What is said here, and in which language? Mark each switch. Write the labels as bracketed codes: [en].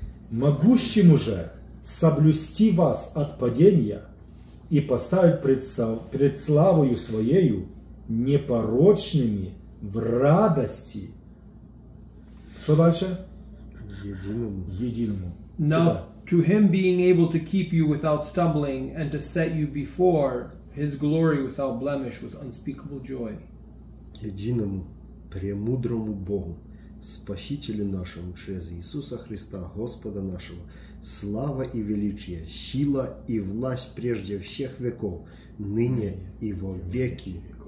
[ru] Могущим уже соблюсти вас от падения и поставить пред славою своею непорочными в радости. Что дальше? Единому. [en] Now, to him being able to keep you without stumbling and to set you before his glory without blemish with unspeakable joy. [ru] Единому, премудрому Богу, Спасителю нашему через Иисуса Христа, Господа нашего, слава и величие, сила и власть прежде всех веков, ныне и во веки.